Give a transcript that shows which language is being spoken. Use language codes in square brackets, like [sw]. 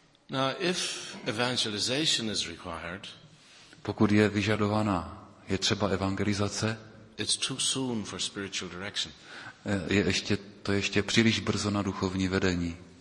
[en] Now, if evangelization is required, [cs] pokud je vyžadovaná, je třeba evangelizace, [en] it's too soon for spiritual direction. [cs] Je ještě příliš brzo na duchovní vedení.